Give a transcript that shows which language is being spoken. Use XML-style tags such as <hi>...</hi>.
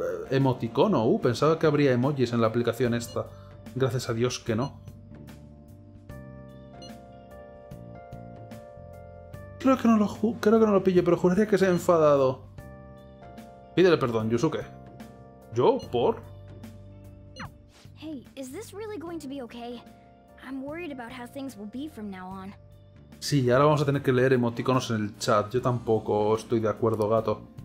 <es>Emoticono. Pensaba que habría emojis en la aplicación esta. Gracias a Dios que no. Creo que no lo pillo, pero juraría que se ha enfadado. Pídele perdón, Yusuke. ¿Yo? ¿Por?</es> <en>Hey, is this really going to be okay? I'm worried about how things will be from now on.</en> <es>Sí, ahora vamos a tener que leer emoticonos en el chat. Yo tampoco estoy de acuerdo, gato.</es>